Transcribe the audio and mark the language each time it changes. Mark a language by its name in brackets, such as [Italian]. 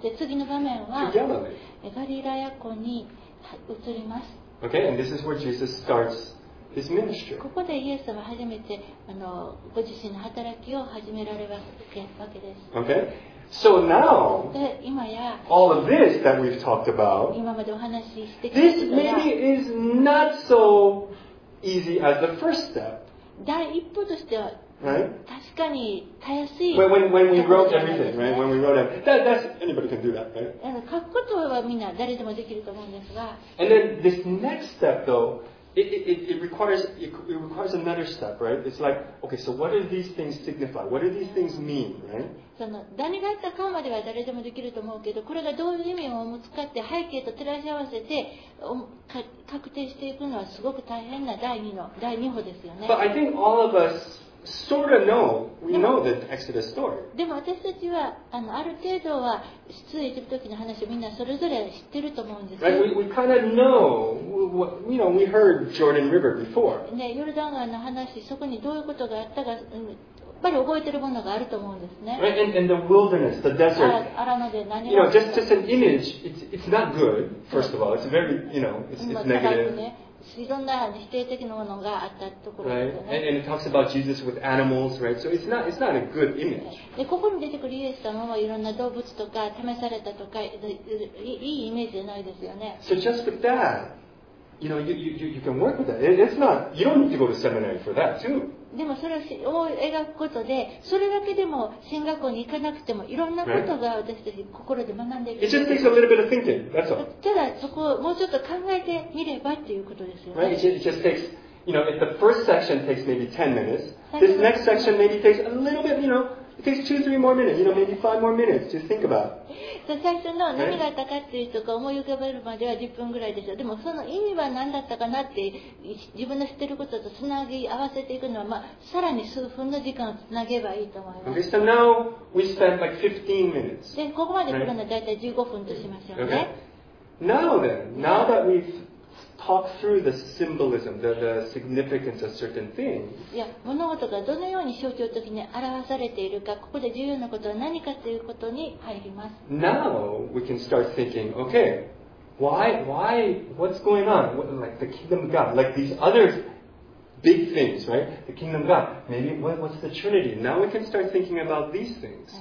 [Japanese] で次の場面はガリラヤ湖に移ります。 [English] Okay, and this is where Jesus starts his ministry. [Japanese] ここでイエス様は初めてあのご自身の働きを始められるわけです。 [English] Okay, so now, [Japanese] で今や [English] all of this that we've talked about, [Japanese] 今までお話ししてきたことは、 [English] this maybe is not so easy as the first step. [Japanese] 第一歩としては、 [English] Right? [Japanese] 確かに、たやすい。 [English] When we wrote everything, right? When we wrote everything. That's, anybody can do that, right? [Japanese] 書くことはみんな誰でもできると思うんですが。 [English] And then this next step, though, it requires another step, right? It's like, okay, so what do these things signify? What do these things mean, right? [Japanese] その何があったかまでは誰でもできると思うけど、これがどういう意味を持つかって背景と照らし合わせて確定していくのはすごく大変な第二歩ですよね。 [English] But I think all of us,Sort of know, we know the Exodus story. [Japanese] でも私たちはあのある程度は出エジプト記の話をみんなそれぞれ知ってると思うんですよ。 [English] Right, we kind of know, you know, we heard Jordan River before. [Japanese] ね、ヨルダン川の話、そこにどういうことがあったか、やっぱり覚えてるものがあると思うんですね。 [English] Right, and the wilderness, the desert. [Japanese] アラノで何 [English] を。You know, just an image, it's not good, first of all. It's very, you know, it's negative. [Japanese] いろんな否定的なものがあったところですね。 [English] Right. And it talks about Jesus with animals, right? So it's not a good image. [Japanese] で、ここに出てくるイエス様はいろんな動物とか試されたとか、いいイメージじゃないですよね。 [English] So just with that, you know, you can work with that. It's not, you don't need to go to seminary for that too. [Japanese] でもそれを描くことで、それだけでも神学校に行かなくてもいろんなことが私たち心で学んでいる。 [English] It just takes a little bit of thinking, that's all. [Japanese] ただそこをもうちょっと考えてみればっていうことですよね。 [English] Right, it just takes, you know, if the first section takes maybe 10 minutes, this next section maybe takes a little bit, you know,It takes two, three more minutes, you know, maybe five more minutes to think about. [Japanese] So, 最初の何があったかっていうとか思い浮かべるまでは10分ぐらいでしょ。でもその意味は何だったかなって自分の知ってることとつなぎ合わせていくのは、まあ、さらに数分の時間をつなげばいいと思います。 [English] Okay, so now we spent like 15 minutes. [Japanese] で、ここまで来るのは大体15分としましょうね。 Okay. [English] Now then, now that we've talked through the symbolism, the significance of certain things. [Japanese] いや、物事がどのように象徴的に表されているか、ここで重要なことは何かということに入ります。 [English] Now we can start thinking, okay, why, what's going on? What, like the kingdom of God, like these other big things, right? The kingdom of God. Maybe what's the Trinity? Now we can start thinking about these things.